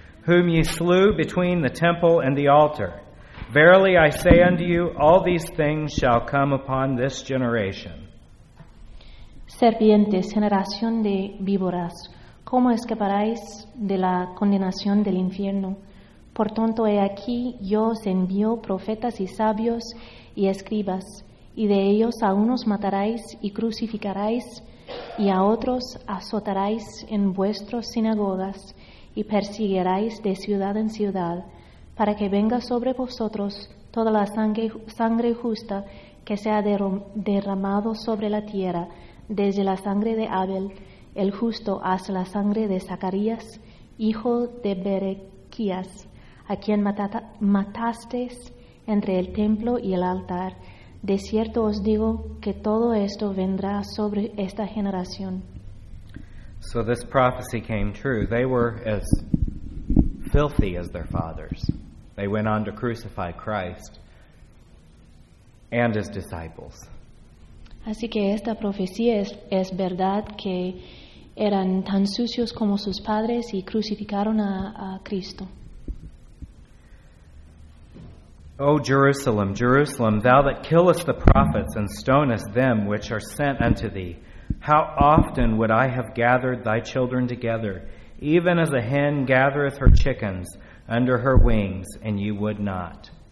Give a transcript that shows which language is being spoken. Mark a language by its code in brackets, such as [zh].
[en] whom ye slew between the temple and the altar. Verily I say unto you, all these things shall come upon this generation. [es] Serpientes, generación de víboras, ¿cómo escaparéis de la condenación del infierno? Por tanto, he aquí, yo os envío profetas y sabios y escribas, y de ellos a unos mataréis y crucificaréis, y a otros azotaréis en vuestras sinagogas y perseguiréis de ciudad en ciudad, para que venga sobre vosotros toda la sangre justa que se ha derramado sobre la tierra, desde la sangre de Abel, el justo, hasta la sangre de Zacarías, hijo de Berequías, a quien matasteis entre el templo y el altar. De cierto os digo que todo esto vendrá sobre esta generación. [en] So this prophecy came true. They were as filthy as their fathers. They went on to crucify Christ and his disciples. [es] Así que esta profecía es verdad, que eran tan sucios como sus padres y crucificaron a Cristo. [en] O Jerusalem, Jerusalem, thou that killest the prophets and stonest them which are sent unto thee, how often would I have gathered thy children together, even as a hen gathereth her chickens under her wings, and ye would not.